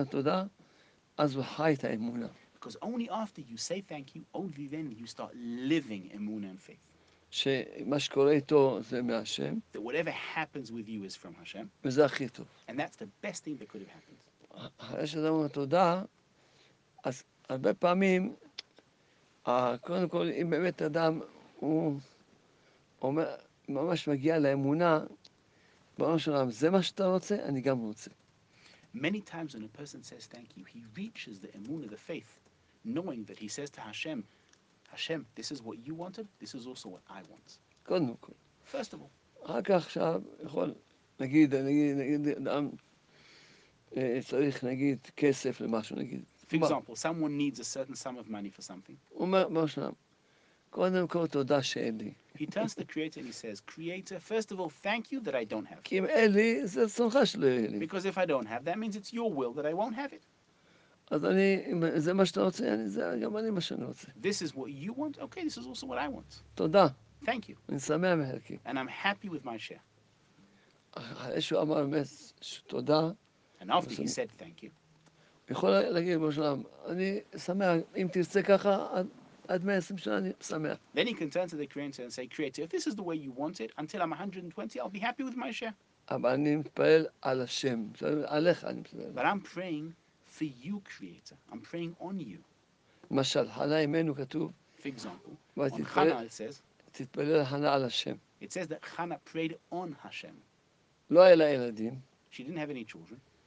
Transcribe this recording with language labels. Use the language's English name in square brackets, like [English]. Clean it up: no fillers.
[English] Why? Because only after you say thank you, only then you start living emunah and faith. That whatever happens with you is from Hashem. And that's the best thing that could have happened. [Hebrew] הרבה פעמים, קודם כל, אם באמת אדם הוא אומר, ממש מגיע לאמונה, בראש העולם, זה מה שאתה רוצה, אני גם רוצה. [English] Many times when a person says thank you, he reaches the emunah, the faith, knowing that he says to Hashem, Hashem, this is what you wanted, this is also what I want. [Hebrew] קודם כל. [English] First of all. [Hebrew] רק עכשיו יכול, נגיד, אדם צריך, נגיד, כסף למשהו, נגיד. [English] For example, someone needs a certain sum of money for something. He turns to the Creator and he says, Creator, first of all, thank you that I don't have it. Because if I don't have, that means it's your will that I won't have it. This is what you want? Okay, this is also what I want. Thank you. And I'm happy with my share. And after he said thank you, [Hebrew] יכול להגיד, למשל, אני שמח, אם תרצה ככה, [English] Then he can turn to the Creator and say, Creator, if this is the way you want it, until I'm 120, I'll be happy with my share. But I'm praying for you, Creator. I'm praying on you. For example, on Hannah, it says that Hannah prayed on Hashem. She didn't have any children.